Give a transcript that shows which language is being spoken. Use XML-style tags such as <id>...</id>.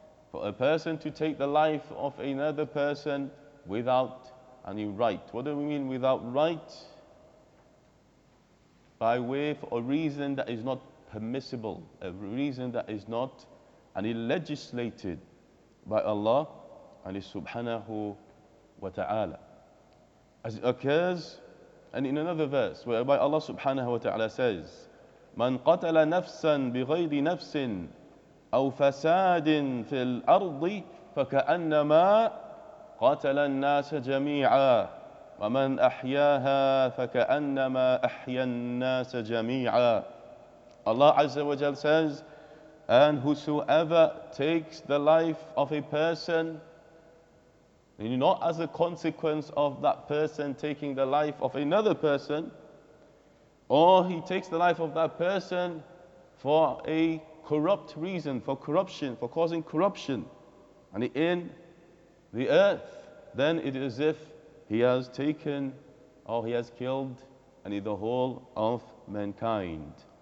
<en>For a person to take the life of another person without any right. What do we mean without right? By way of a reason that is not permissible, a reason that is not legislated by Allah and subhanahu wa ta'ala. As it occurs in another verse whereby Allah subhanahu wa ta'ala says,</en> <ar>Man qatala nafsan bighayri nafsin أو فساد في الأرض فكأنما قتل الناس جميعا ومن أحياها فكأنما أحيا الناس جميعا.</ar> <en>Allah Azza wa Jal says, and whosoever takes the life of a person, not as a consequence of that person taking the life of another person, or he takes the life of that person for a corrupt reason, for corruption, for causing corruption and in the earth, then it is as if he has taken or he has killed and the whole of mankind.</en>